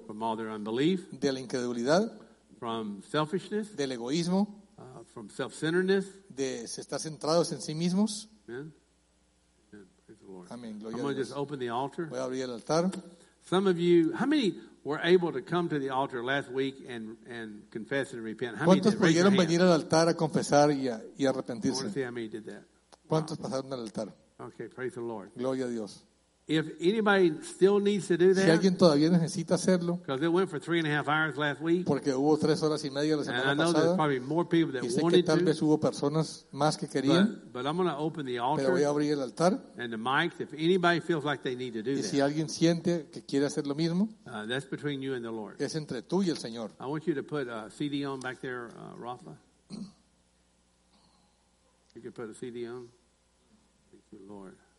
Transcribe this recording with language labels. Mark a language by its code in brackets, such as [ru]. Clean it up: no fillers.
[en] from all their unbelief, [es] de la incredulidad, [en] from selfishness, [es] del egoísmo, [en] from self-centeredness, [es] de estar centrados en sí mismos. [en] Amen. Amen. Praise the Lord. Amen. I'm going to just open the altar. [es] Voy a abrir el altar. [en] Some of you, how many were able to come to the altar last week and confess and repent? How [es] ¿cuántos [en] many [es] pudieron venir al altar a confesar y arrepentirse? [en] I want to see how many did that. [es] ¿Cuántos pasaron al altar? [en] Okay, praise the Lord. [es] Gloria a Dios. [en] If anybody still needs to do that, [es] si alguien todavía necesita hacerlo, [en] because it went for 3.5 hours last week, [es] porque hubo tres horas y media la semana pasada, [en] and I know [es] pasada, [en] there's probably more people that [es] y sé [en] wanted [es] que tal [en] to, [es] vez hubo personas más que querían, [en] but I'm going to open the altar, [es] pero voy a abrir el altar, [en] and the mics, if anybody feels like they need to do [es] y [en] that, [es] y si alguien siente que quiere hacer lo mismo, [en] that's between you and the Lord. [es] Es entre tú y el Señor. [en] I want you to put a CD on back there, Rafa. You can put a CD on. Thank you, Lord.